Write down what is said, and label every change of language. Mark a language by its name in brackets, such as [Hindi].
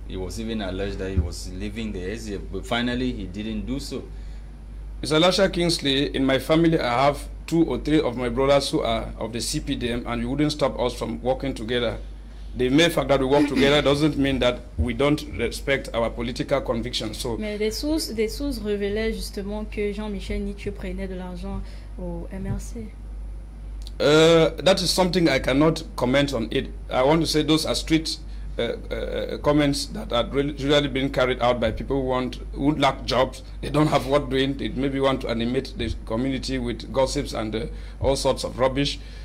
[English] It was even alleged that he was leaving the SDF, but finally he didn't do so. Mr. Lasha Kingsley, in my family I have two or three of my brothers who are of the CPDM, and you wouldn't stop us from working together. The mere fact that we work together doesn't mean that we don't respect our political convictions. So, [French] mais des sources révélaient justement que Jean-Michel Nitu prenait de l'argent au MRC. [English] That is something I cannot comment on it. I want to say those are street comments that are usually being carried out by people who lack jobs. They don't have what doing. They maybe want to animate the community with gossips and all sorts of rubbish.